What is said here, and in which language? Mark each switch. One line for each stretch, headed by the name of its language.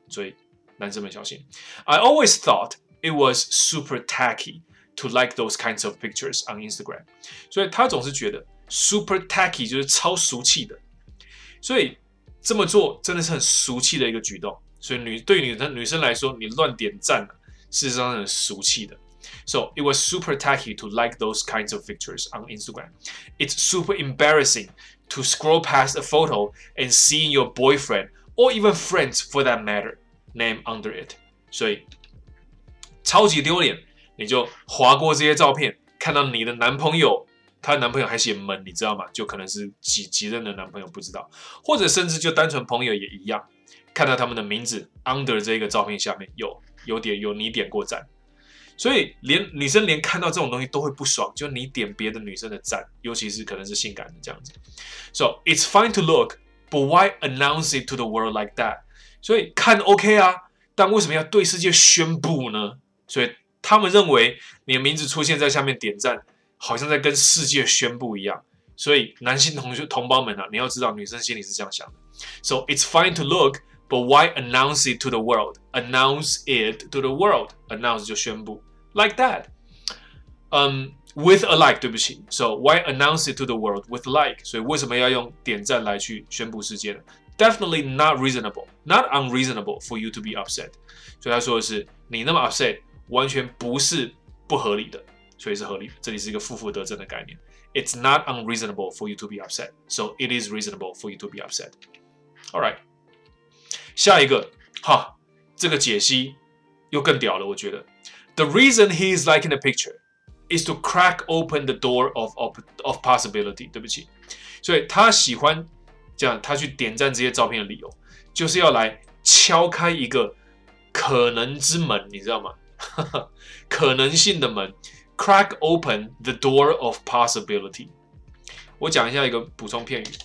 Chinese: 所以男生们小心。
English: I always thought it was super tacky to like those kinds of pictures on Instagram。
Chinese: 所以她总是觉得 super tacky 就是超俗气的。所以这么做真的是很俗气的一个举动。所以对女生来说，你乱点赞，事实上是很俗气的。
English: So it was super tacky to like those kinds of pictures on Instagram. It's super embarrassing to scroll past a photo and see your boyfriend or even friends for that matter name under it.
Chinese: 所以超级丢脸，你就滑过这些照片，看到你的男朋友，他的男朋友还写门，你知道吗？就可能是几任的男朋友，不知道，或者甚至就单纯朋友也一样，看到他们的名字 under 这个照片下面有你点过赞。所以连女生连看到这种东西都会不爽，就你点别的女生的赞，尤其是可能是性感的这样子。
English: So it's fine to look, but why announce it to the world like that?
Chinese: 所以看 OK 啊，但为什么要对世界宣布呢？所以他们认为你的名字出现在下面点赞，好像在跟世界宣布一样。所以男性同胞们啊，你要知道女生心里是这样想的。
English: So it's fine to look. But why announce it to the world? Announce it to the world. Announce
Chinese: 就宣布
English: like that. With a like,
Chinese: 对不起。
English: So why announce it to the world with like?
Chinese: 所以为什么要用点赞来去宣布世界呢？
English: definitely not reasonable, not unreasonable for you to be upset.
Chinese: 所以他说的是，你那么 upset 完全不是不合理的，所以是合理的。这里是一个负负得正的概念。
English: It's not unreasonable for you to be upset, so it is reasonable for you to be upset. All right.
Chinese: 下一个，哈，这个解析又更屌了，我觉得。
English: The reason he is liking the picture is to crack open the door of possibility.
Chinese: 对不起，所以他喜欢这样，他去点赞这些照片的理由，就是要来敲开一个可能之门，你知道吗？可能性的门 ，
English: crack open the door of possibility.
Chinese: 我讲一下一个补充片语。